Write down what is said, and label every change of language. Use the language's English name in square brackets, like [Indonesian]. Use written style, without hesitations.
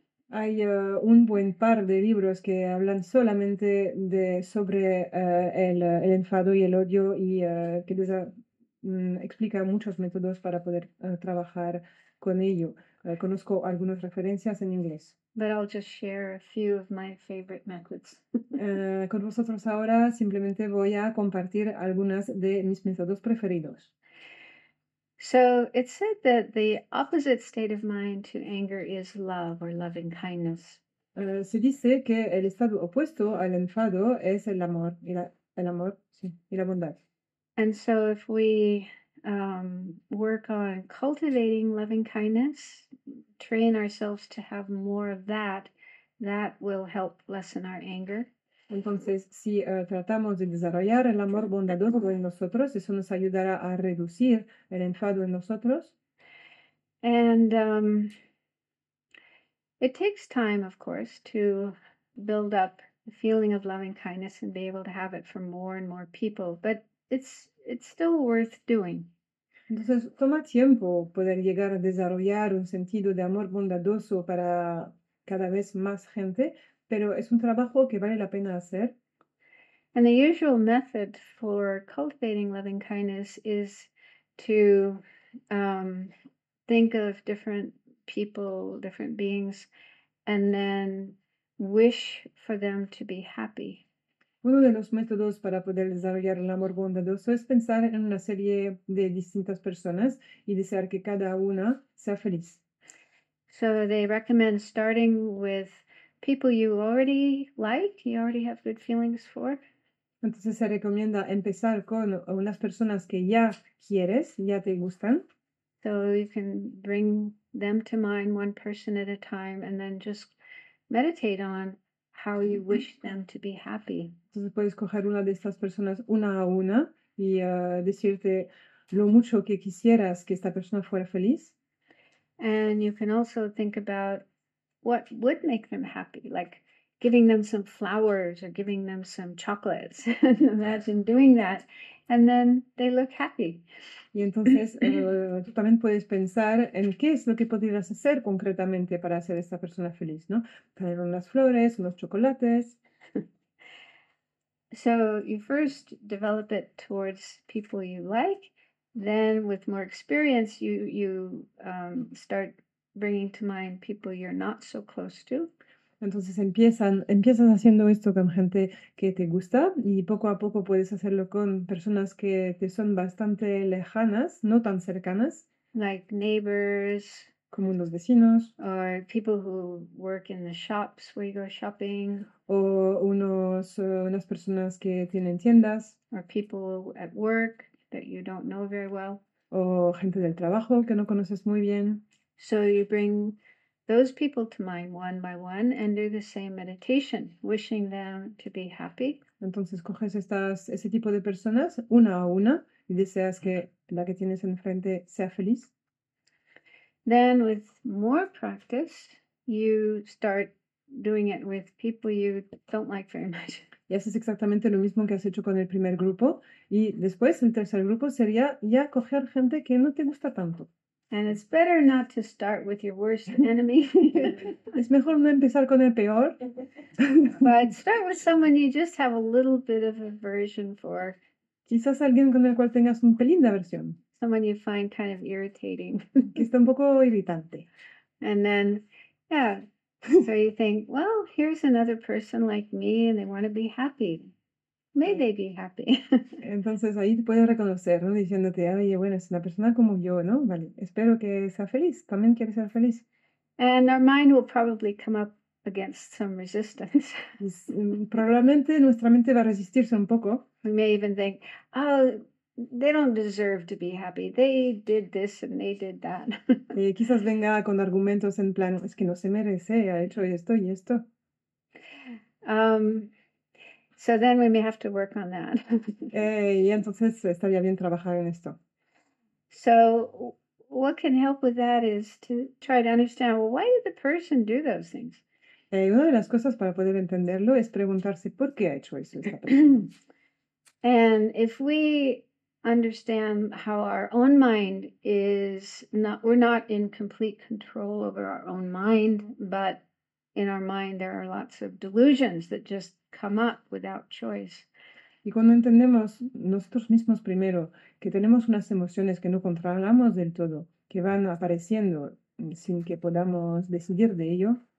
[Spanish] Hay un buen par de libros que hablan solamente de sobre el enfado y el odio y que les explica muchos métodos para poder trabajar con ello. Conozco algunas referencias en inglés. [English] But I'll just share a few of my favorite methods. [Spanish] Con vosotros ahora simplemente voy a compartir algunas de mis métodos preferidos. [English] So it's said that the opposite state of mind to anger is love or loving kindness. [Spanish] Se dice que el estado opuesto al enfado es el amor y el amor, sí, y la bondad. [English] And so if we work on cultivating loving kindness, train ourselves to have more of that, that will help lessen our anger. [Spanish] Entonces, si tratamos de desarrollar el amor bondadoso en nosotros, eso nos ayudará a reducir el enfado en nosotros. [English] And it takes time, of course, to build up the feeling of loving kindness and be able to have it for more and more people, but it's still worth doing. [Spanish] Entonces, toma tiempo poder llegar a desarrollar un sentido de amor bondadoso para cada vez más gente, pero es un trabajo que vale la pena hacer. [English] And the usual method for cultivating loving kindness is to think of different people, different beings, and then wish for them to be happy. [Spanish] Uno de los métodos para poder desarrollar el amor bondadoso es pensar en una serie de distintas personas y desear que cada una sea feliz. [English] So they recommend starting with people you already like, you already have good feelings for. [Spanish] Entonces se recomienda empezar con unas personas que ya quieres, ya te gustan. [English] So you can bring them to mind one person at a time and then just meditate on how you wish them to be happy. [Spanish] Entonces puedes coger una de estas personas una a una y decirte lo mucho que quisieras que esta persona fuera feliz. [English] And you can also think about what would make them happy, like giving them some flowers or giving them some chocolates. Imagine doing that, and then they look happy. [Spanish] Y entonces tú también puedes pensar en qué es lo que podrías hacer concretamente para hacer a esta persona feliz, ¿no? Traer unas flores, unos chocolates. [English] So you first develop it towards people you like, then with more experience, you start bringing to mind people you're not so close to. [Spanish] Entonces empiezas haciendo esto con gente que te gusta y poco a poco puedes hacerlo con personas que te son bastante lejanas, no tan cercanas. [English] Like neighbors, [Spanish] como los vecinos, [English] or people who work in the shops where you go shopping, [Spanish] o unos unas personas que tienen tiendas, [English] or people at work that you don't know very well. [Spanish] o gente del trabajo que no conoces muy bien. [English] So you bring those people to mind one by one and do the same meditation, wishing them to be happy. [Spanish] Entonces coges estas ese tipo de personas una a una y deseas que la que tienes enfrente sea feliz. [English] Then, with more practice, you start doing it with people you don't like very much. [Spanish] Y haces exactamente lo mismo que has hecho con el primer grupo. Y después el tercer grupo sería ya coger gente que no te gusta tanto. [English] And it's better not to start with your worst enemy. [Spanish] Es mejor no empezar con el peor. [English] But start with someone you just have a little bit of aversion for. [Spanish] Quizás alguien con el cual tengas un pelín de aversión, [English] Someone you find kind of irritating. [Spanish] que está un poco irritante. [English] And then, yeah, so you think, well, here's another person like me and they want to be happy. May they be happy. [Spanish] Entonces ahí te puedes reconocer, ¿no? Diciéndote, oye, bueno, es una persona como yo, ¿no? Vale, espero que sea feliz, también quiere ser feliz. [English] And our mind will probably come up against some resistance. [Spanish] Pues, probablemente nuestra mente va a resistirse un poco. [English] We may even think, oh, they don't deserve to be happy. They did this and they did that. [Spanish] Quizás venga con argumentos en plan, es que no se merece, ha hecho esto y esto. [English] So then we may have to work on that. [Spanish] Y entonces estaría bien trabajar en esto. [English] So what can help with that is to try to understand, well, why did the person do those things? [Spanish] Una de las cosas para poder entenderlo es preguntarse por qué ha hecho eso esta persona. [English] And if we understand how our own mind is not, we're not in complete control over our own mind, but in our mind there are lots of delusions that just come up without choice. [Spanish] Y cuando entendemos nosotros mismos primero que tenemos unas emociones que no controlamos del todo, que van apareciendo sin que podamos decidir de ello,